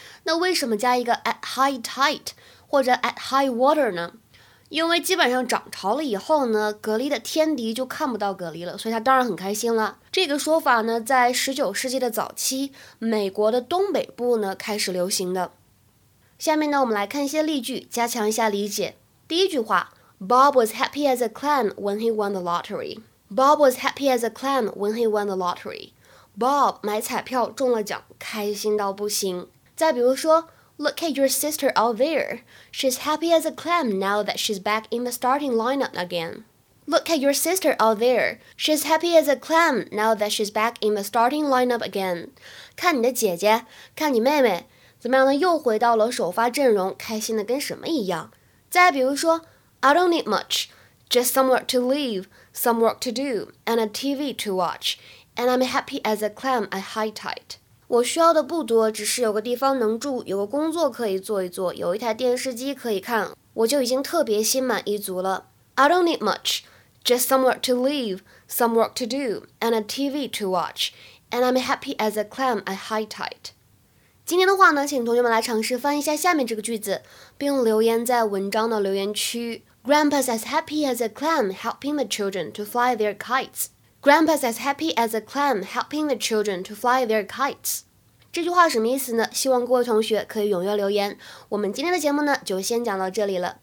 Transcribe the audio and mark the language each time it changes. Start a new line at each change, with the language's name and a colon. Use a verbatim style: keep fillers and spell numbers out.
Chinese: 那为什么加一个
English: at high tide
Chinese: 或者
English: at high water
Chinese: 呢？因为基本上涨潮了以后呢，蛤蜊的天敌就看不到蛤蜊了，所以它当然很开心了。这个说法呢，在十九世纪的早期，美国的东北部呢开始流行的。下面呢，我们来看一些例句，加强一下理解。第一句话
English: ，Bob was happy as a clam when he won the lottery. Bob was happy as a clam when he won the lottery.
Chinese: Bob 买彩票中了奖，开心到不行。再比如说。
English: Look at your sister out there. She's happy as a clam now that she's back in the starting lineup again. Look at your sister out there. She's happy as a clam now that she's back in the starting lineup again.
Chinese: 看你的姐姐，看你妹妹，怎么样呢？又回到了首发阵容，开心的跟什么一样。再比如说
English: I don't need much, just some work to live, some work to do, and a T V to watch, and I'm happy as a clam at high tide.
Chinese: 我需要的不多，只是有个地方能住，有个工作可以做一做，有一台电视机可以看，我就已经特别心满意足了。
English: I don't need much, just some work to live, some work to do, and a T V to watch, and I'm happy as a clam at high tide.
Chinese: 今天的话呢，请同学们来尝试翻译一下下面这个句子，并留言在文章的留言区。
English: Grandpa's as happy as a clam helping the children to fly their kites. Grandpa's as happy as a clam helping the children to fly their kites.
Chinese: 这句话什么意思呢？希望各位同学可以踊跃留言。我们今天的节目呢，就先讲到这里了。